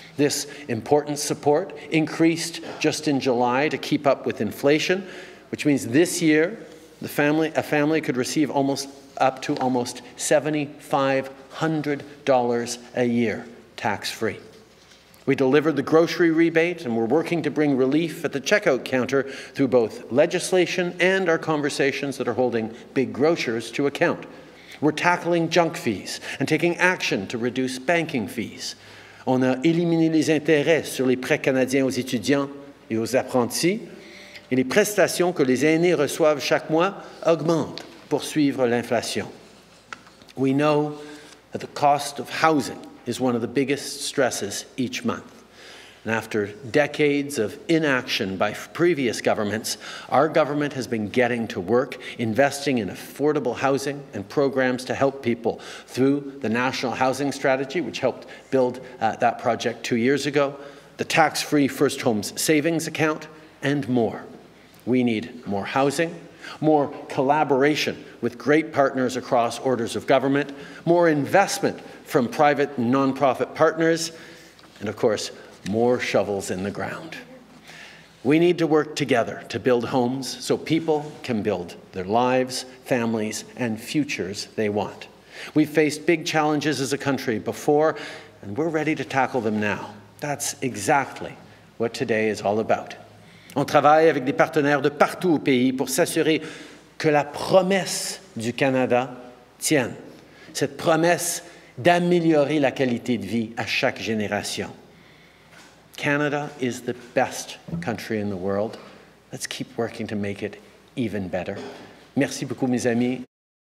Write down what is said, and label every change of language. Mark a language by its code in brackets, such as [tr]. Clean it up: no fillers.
[en] This important support increased just in July to keep up with inflation, which means this year a family could receive up to almost $7,500 a year tax-free. We delivered the grocery rebate, and we're working to bring relief at the checkout counter through both legislation and our conversations that are holding big grocers to account. We're tackling junk fees and taking action to reduce banking fees. [fr] On a éliminé les intérêts sur les prêts canadiens aux étudiants et aux apprentis, et les prestations que les aînés reçoivent chaque mois augmentent pour suivre l'inflation. [en] We know that the cost of housing is one of the biggest stresses each month. And after decades of inaction by previous governments, our government has been getting to work, investing in affordable housing and programs to help people through the National Housing Strategy, which helped build that project 2 years ago, the tax-free First Homes Savings Account, and more. We need more housing, more collaboration with great partners across orders of government, more investment from private and non-profit partners, and of course, more shovels in the ground. We need to work together to build homes so people can build their lives, families, and futures they want. We've faced big challenges as a country before, and we're ready to tackle them now. That's exactly what today is all about. [fr] On travaille avec des partenaires de partout au pays pour s'assurer que la promesse du Canada tienne. Cette promesse d'améliorer la qualité de vie à chaque génération. [en] Canada is the best country in the world. Let's keep working to make it even better. [fr] Merci beaucoup, mes amis.